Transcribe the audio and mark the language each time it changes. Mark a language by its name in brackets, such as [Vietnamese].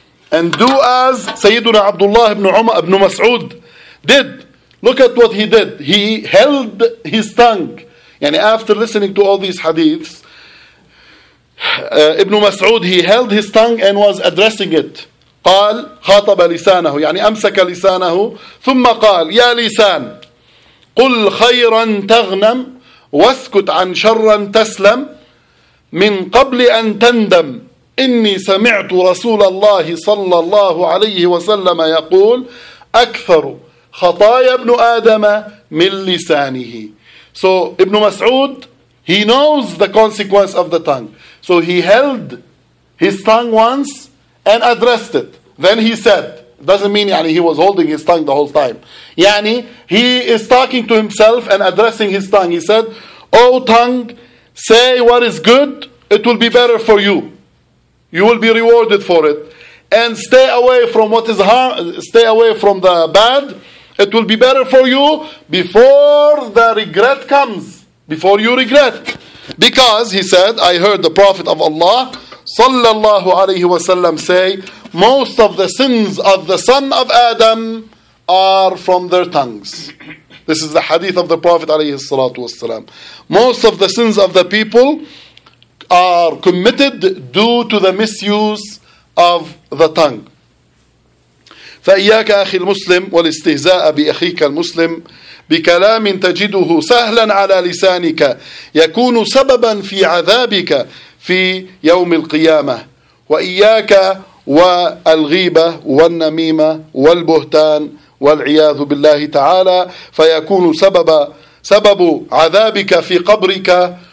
[English] And do as Sayyiduna Abdullah ibn Mas'ud did. Look at what he did. He held his tongue. And after listening to all these hadiths, ibn Mas'ud, he held his tongue and was addressing it. [Arabic] قال خاطب لسانه يعني أمسك لسانه ثم قال يا لسان قل خيرا تغنم واسكت عن شرا تسلم من قبل أن تندم إني سمعت رسول الله صلى الله عليه وسلم يقول أكثر خطايا ابن آدم من لسانه. [English] So Ibn Mas'ud, he knows the consequence of the tongue. So he held his tongue once and addressed it. Then he said, doesn't mean يعني he was holding his tongue the whole time. يعني he is talking to himself and addressing his tongue. He said, O tongue, say what is good, it will be better for you. You will be rewarded for it. And stay away from what is harm, stay away from the bad, it will be better for you before the regret comes. Before you regret. Because, he said, I heard the Prophet of Allah, sallallahu alayhi wa sallam, say, most of the sins of the son of Adam are from their tongues. This is the hadith of the Prophet alayhi salatu wa sallam. Most of the sins of the people are committed due to the misuse of the tongue. [Arabic] فإياك أخي المسلم والاستهزاء بأخيك المسلم بكلام تجده سهلا على لسانك يكون سببا في عذابك في يوم القيامة. وإياك والغيبة والنميمة والبهتان والعياذ بالله تعالى فيكون سبب عذابك في قبرك.